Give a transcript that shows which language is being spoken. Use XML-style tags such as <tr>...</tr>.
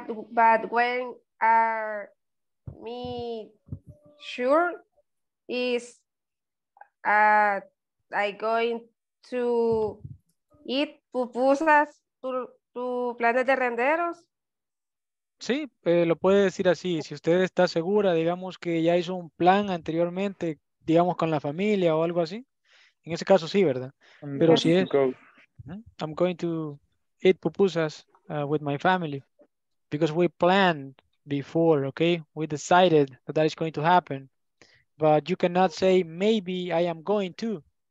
<en>But when are me sure is I going to eat pupusas to planes de renderos?</en> <es>Sí, lo puede decir así. Si usted está segura, digamos que ya hizo un plan anteriormente, digamos con la familia o algo así. En ese caso sí, ¿verdad? Pero si es,</es> <en>I'm going to eat pupusas with my family because we planned before, okay? We decided that is going to happen, but you cannot say, maybe I am going to.</en>